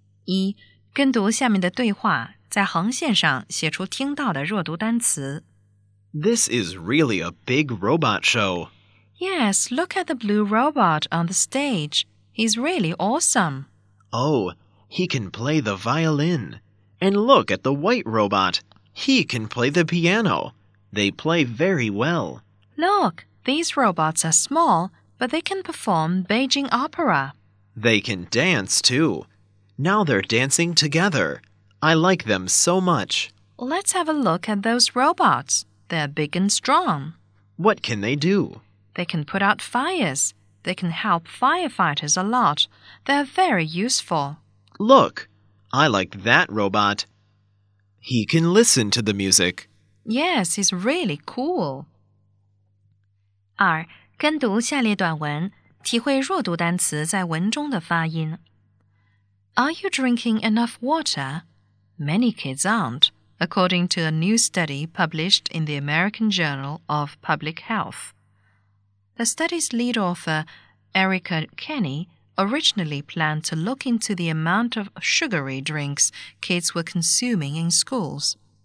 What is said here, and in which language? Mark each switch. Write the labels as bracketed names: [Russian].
[Chinese] 一，跟读下面的对话，在横线上写出听到的弱读单词。 [English] This is really a big robot show. Yes, look at the blue robot on the stage. He's really awesome. Oh, he can play the violin. And look at the white robot. He can play the piano. They play very well. Look, these robots are small, but they can perform Beijing opera. They can dance, too. Now they're dancing together. I like them so much. Let's have a look at those robots. They're big and strong. What can they do? They can put out fires. They can help firefighters a lot. They're very useful. Look, I like that robot. He can listen to the music. Yes, he's really cool. [Chinese] 二，跟读下列短文，体会弱读单词在文中的发音。 [English] Are you drinking enough water? Many kids aren't, according to a new study published in the American Journal of Public Health. The study's lead author, Erica Kenny, originally planned to look into the amount of sugary drinks kids were consuming in schools.